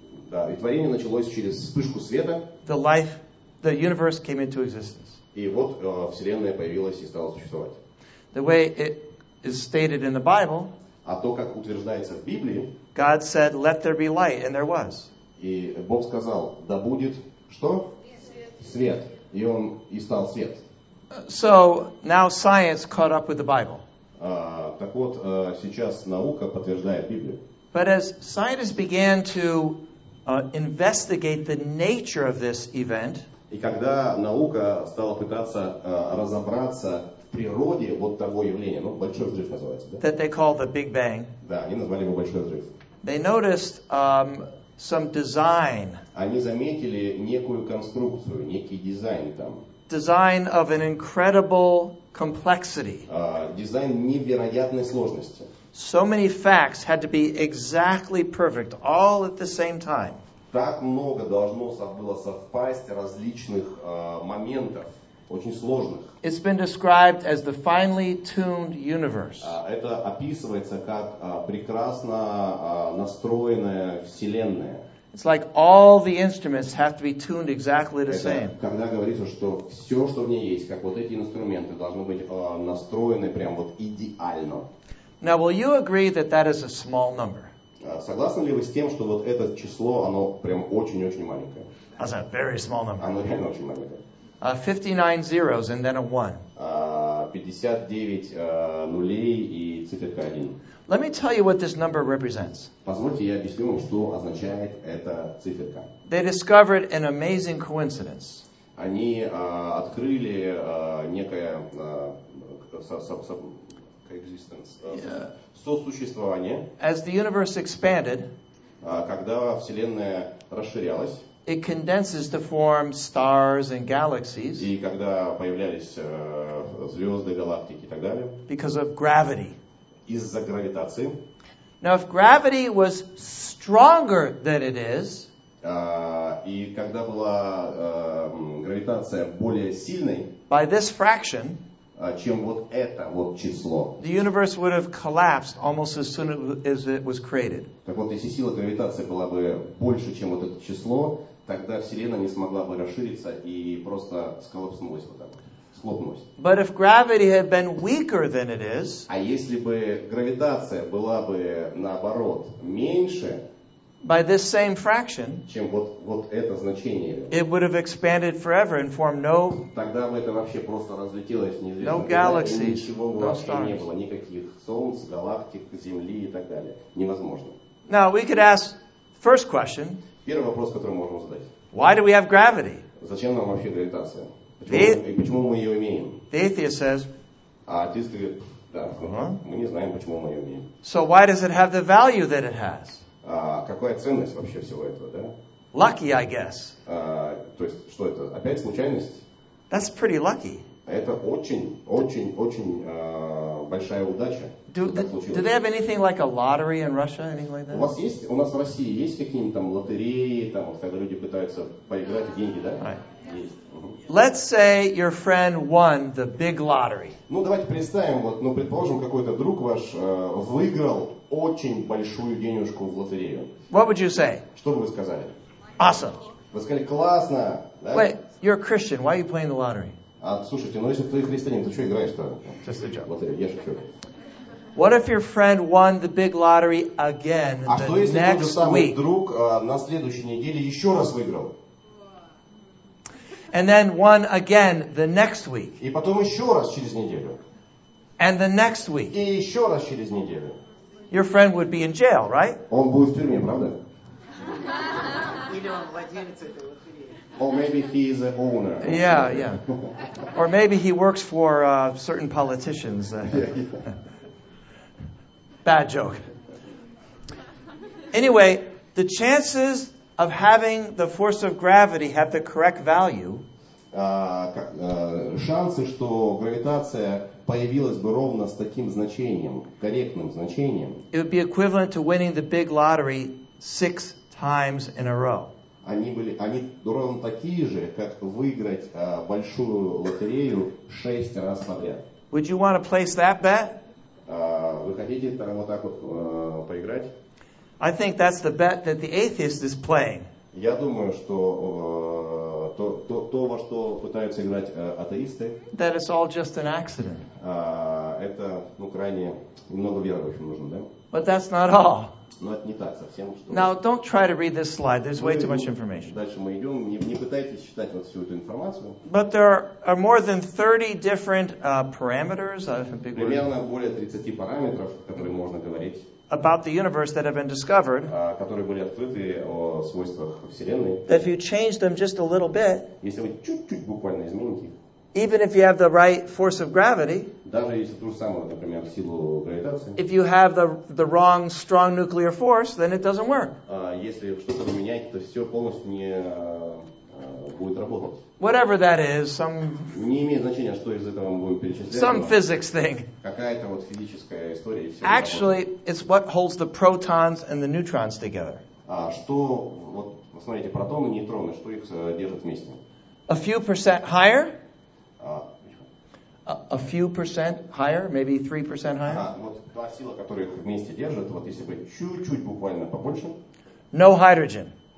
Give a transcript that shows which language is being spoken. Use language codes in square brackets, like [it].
[ru] да, и творение началось через вспышку света, [en] the life, the universe came into existence. [ru] И вот вселенная появилась и стала существовать. [en] The way it is stated in the Bible, [ru] а то, как утверждается в Библии, [en] God said, "Let there be light," and there was. [ru] И Бог сказал, да будет что? Свет. И он и стал свет. [en] So now science caught up with the Bible. [ru] Так вот, сейчас наука подтверждает Библию. [en] But as scientists began to investigate the nature of this event, [ru] и когда наука стала пытаться разобраться природе вот того явления, ну, большой взрыв называется, да? [en] That they call the Big Bang. [ru] Да, они назвали его большой взрыв. [en] They noticed some design. [ru] Они заметили некую конструкцию, некий дизайн там. [en] Design of an incredible complexity. [ru] Дизайн невероятной сложности. [en] So many facts had to be exactly perfect, all at the same time. [ru] Так много должно было совпасть различных моментов. Очень сложных. [en] It's been described as the finely tuned universe. [ru] Это описывается как прекрасно настроенная вселенная. [en] It's like all the instruments have to be tuned exactly the same. [ru] Это когда говорится, что все, что в ней есть, как вот эти инструменты, должно быть настроены прям вот идеально. [en] Now, will you agree that that is a small number? [ru] Согласны ли вы с тем, что вот это число, оно прям очень-очень маленькое? [en] That's a very small number. [ru] Оно реально очень маленькое. [en] 59 zeros and then a 1. [ru] 59 нулей и циферка 1. [en] Let me tell you what this number represents. [ru] Позвольте я объясню вам, что означает эта циферка. [en] They discovered an amazing coincidence. [ru] Они открыли некое coexistence, сосуществование. [en] As the universe expanded, [ru] когда вселенная расширялась, [en] it condenses to form stars and galaxies. [ru] И когда появлялись звезды, галактики и так далее. [en] Because of gravity. [ru] Из-за гравитации. [en] Now, if gravity was stronger than it is, [ru] и когда была гравитация более сильной, [en] by this fraction, [ru] чем вот это вот число, [en] the universe would have collapsed almost as soon as it was created. [ru] Так вот, если сила гравитации была бы больше, чем вот это число, тогда вселенная не смогла бы расшириться и просто сколопнулась вот так, схлопнулась. [en] But if gravity had been weaker than it is, [ru] а если бы гравитация была бы наоборот меньше, [en] by this same fraction, [ru] чем вот вот это значение, [en] it would have expanded forever and formed no, [ru] тогда бы это вообще просто разлетелось неизвестно, no galaxies, и ничего бы вообще не было, никаких солнц, галактик, земли и так далее, невозможно. [en] Now we could ask first question. [ru] Первый вопрос, который можем задать. [en] Why do we have gravity? [ru] Зачем нам вообще гравитация? Почему мы ее имеем? [en] The atheist says. [ru] А атеист говорит, да, мы не знаем, почему мы ее имеем. [en] So why does it have the value that it has? [ru] Какая ценность вообще всего этого, да? [en] Lucky, I guess. [ru] То есть, что это? Опять случайность? [en] That's pretty lucky. [ru] Это очень большая удача. [en] Do they have anything like a lottery in Russia, anything like that? [ru] У нас в России есть какие-нибудь там лотереи, там, вот, когда люди пытаются поиграть в деньги, да? [en] Right. [ru] Есть. [en] Let's say your friend won the big lottery. [ru] Ну, давайте представим, вот, ну, предположим, какой-то друг ваш выиграл очень большую денежку в лотерею. [en] What would you say? [ru] Что бы вы сказали? [en] Awesome. [ru] Вы сказали, классно. Да? [en] Wait, you're a Christian. Why are you playing the lottery? [ru] А, слушайте, ну если ты христианин, то что играешь-то? [en] Just a joke. [ru] Лотерею, я шучу. [en] What if your friend won the big lottery again the next week? [ru] А что если тот же самый друг на следующей неделе еще раз выиграл? [en] And then won again the next week. [ru] И потом еще раз через неделю. [en] And the next week. [ru] И еще раз через неделю. [en] Your friend would be in jail, right? [ru] Он будет в тюрьме, правда? Или он владелец этой лотереи. [en] Or maybe he is an owner. Yeah, yeah. Or maybe he works for certain politicians. Bad joke. Anyway, the chances of having the force of gravity have the correct value. [ru] Шансы, что гравитация появилась бы ровно с таким значением, корректным значением. [en] It would be equivalent to winning the big lottery 6 times in a row. [ru] Они ровно такие же, как выиграть большую лотерею 6 раз подряд. [en] Would you want to place that bet? [ru] Вы хотите там вот так вот поиграть? [en] I think that's the bet that the atheist is playing. [ru] Я думаю, что то во что пытаются играть атеисты. [en] That it's all just an accident. [ru] Это, ну, крайне немного веры очень нужно, да? [en] But that's not all. [ru] Но это не так совсем, что... [en] Now, don't try to read this slide. There's way too much information. [ru] Дальше мы идем. Не пытайтесь читать вот всю эту информацию. [en] But there are more than 30 different parameters. [ru] Примерно более 30 параметров, которые можно говорить. [en] About the universe that have been discovered. [ru] Которые были открыты о свойствах Вселенной. [en] That if you change them just a little bit. [ru] Если вы чуть-чуть буквально измените. [en] Even if you have the right force of gravity, [ru] даже если ту же самую, например, силу гравитации, [en] if you have the wrong strong nuclear force, then it doesn't work. [ru] Если что-то поменять, то все полностью не будет работать. [en] Whatever that is, some [ru] не имеет значения, что из этого мы будем перечислять. [en] Some physics thing. [ru] Какая-то вот физическая история. [en] Actually, it's what holds the protons and the neutrons together. [ru] Что вот смотрите, протоны, нейтроны, что их держит вместе? [en] A few percent higher. A few percent higher, maybe 3% higher. [ru] Вот та сила, которая их вместе держит, вот если бы чуть-чуть буквально побольше. [en] No hydrogen.